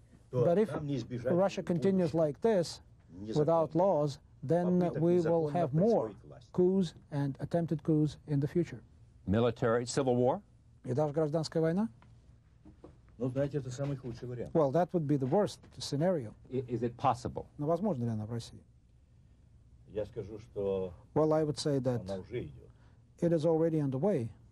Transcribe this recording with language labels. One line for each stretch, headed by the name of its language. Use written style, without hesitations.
English: But if Russia continues like this, without laws, then we will have more coups and attempted coups in the future. Military, civil war?
Russian: И даже гражданская война? Ну, знаете, это самый худший вариант.
English: Well, that would be the worst scenario. Is it possible?
Russian: Но возможно ли она в России? Я скажу, что...
English: Well, I would say that it is already underway.